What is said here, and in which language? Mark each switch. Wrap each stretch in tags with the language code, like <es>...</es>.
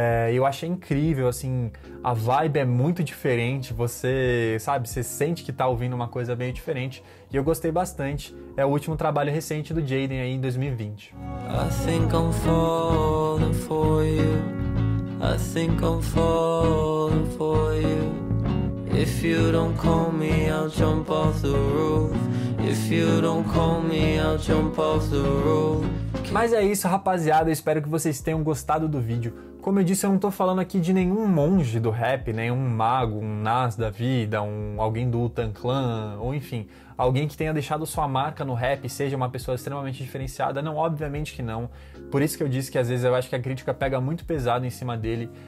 <pt>Eu achei incrível, assim, a vibe é muito diferente, você, sabe, você sente que tá ouvindo uma coisa bem diferente, e eu gostei bastante. É o último trabalho recente do Jaden aí, em 2020.</pt> <en>I think I'm falling for you. I think I'm falling for you. If you don't call me, I'll jump off the roof. If you don't call me, I'll jump off the roof.</en> <pt>Mas é isso, rapaziada, eu espero que vocês tenham gostado do vídeo. Como eu disse, eu não tô falando aqui de nenhum monge do rap, nenhum mago, um Nas da vida, alguém do Wu-Tang Clan, ou enfim, alguém que tenha deixado sua marca no rap, seja uma pessoa extremamente diferenciada. Não, obviamente que não. Por isso que eu disse que às vezes eu acho que a crítica pega muito pesado em cima dele.</pt>